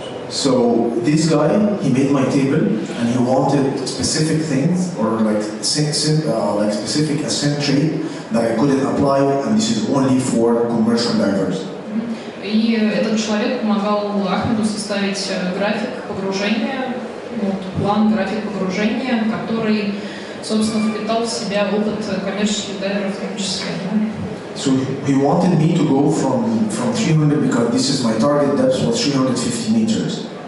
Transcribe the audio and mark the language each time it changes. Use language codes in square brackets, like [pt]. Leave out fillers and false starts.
[en] So this guy, he made my table, and he wanted specific things or like specific ascent trait that I couldn't apply, and this is only for commercial divers. [ru] И этот человек помогал Ахмеду составить график погружения, вот план график погружения, который, собственно, впитал в себя опыт коммерческих дайверов в том числе. [en] So he wanted me to go from 300 because this is my target depth was 350 meters.